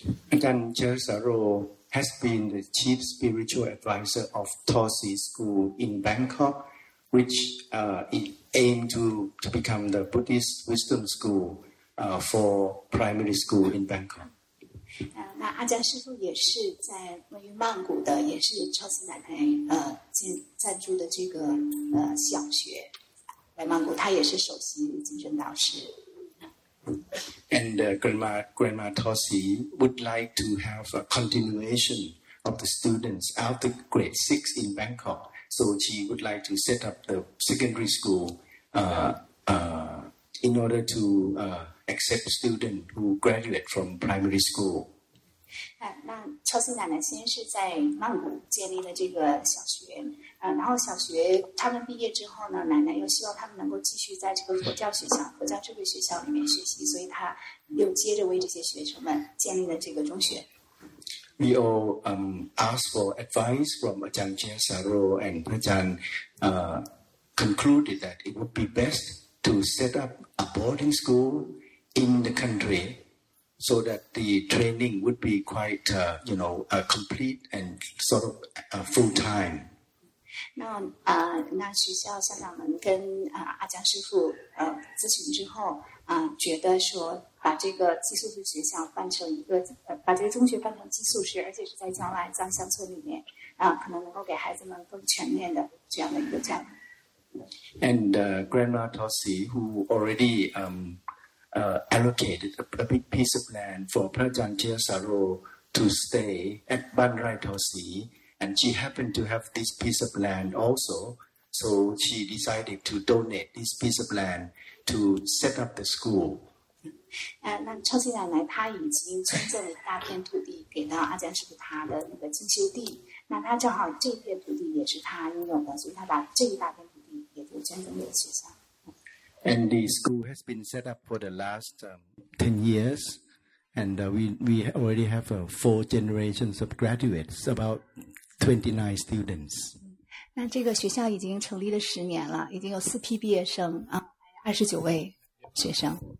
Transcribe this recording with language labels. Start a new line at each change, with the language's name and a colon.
English: Ajahn Chiasaro has been the chief spiritual advisor of Tosi School in Bangkok, which it aimed to become the Buddhist wisdom school for primary school in Bangkok.
Chinese: 那阿江师傅也是在位于曼谷的，也是超级奶奶赞助的这个小学，在曼谷，他也是首席精神导师。
English: And Grandma Tosi would like to have a continuation of the students after grade 6 in Bangkok, so she would like to set up the secondary school in order to accept student who graduate from primary school.
Chinese: 那超新奶奶先是在曼谷建立了这个小学，然后小学他们毕业之后呢，奶奶又希望他们能够继续在这个佛教学校、佛教智慧学校里面学习，所以她又接着为这些学生们建立了这个中学。
English: We all asked for advice from Ajahn Chiasaro, and Ajahn concluded that it would be best to set up a boarding school in the country. So that the training would be quite, complete and sort of full time.
Chinese: 那学校校长们跟阿江师傅咨询之后，觉得说把这个寄宿制学校办成一个，把这个中学办成寄宿制，而且是在郊外、藏乡村里面，可能能够给孩子们更全面的这样的一个教育。
English: And Grandma Tosi, who already allocated a big piece of land for Prachan Chiasaro to stay at Ban Rai Tosi, and she happened to have this piece of land also, so she decided to donate this piece of land to set up the school.
Chinese: 那超级奶奶她已经捐赠了一大片土地给到阿姜师傅他的那个进修地，那他正好这片土地也是他拥有的，所以他把这一大片土地也都捐赠给学校。
English: And the school has been set up for the last 10 years, and we already have four generations of graduates, about 29 students.
Chinese: 那这个学校已经成立了十年了，已经有四批毕业生啊，29位学生。